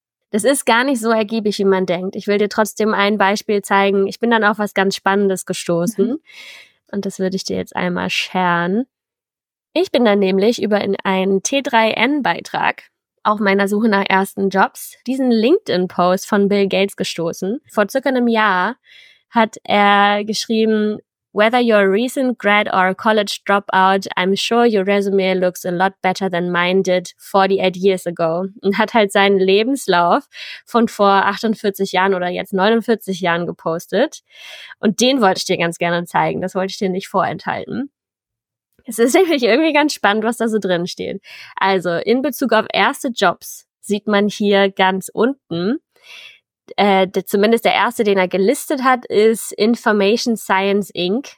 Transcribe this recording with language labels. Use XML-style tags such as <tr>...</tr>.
<de>Das ist gar nicht so ergiebig, wie man denkt. Ich will dir trotzdem ein Beispiel zeigen. Ich bin dann auf was ganz Spannendes gestoßen. Und das würde ich dir jetzt einmal scheren. Ich bin dann nämlich über in einen T3N-Beitrag auf meiner Suche nach ersten Jobs diesen LinkedIn-Post von Bill Gates gestoßen. Vor circa einem Jahr hat er geschrieben,</de> <en>"Whether you're a recent grad or a college dropout, I'm sure your resume looks a lot better than mine did 48 years ago."</en> <de>Und hat halt seinen Lebenslauf von vor 48 Jahren oder jetzt 49 Jahren gepostet. Und den wollte ich dir ganz gerne zeigen. Das wollte ich dir nicht vorenthalten. Es ist nämlich irgendwie ganz spannend, was da so drin steht. Also in Bezug auf erste Jobs sieht man hier ganz unten, zumindest der erste, den er gelistet hat, ist Information Science Inc.</de>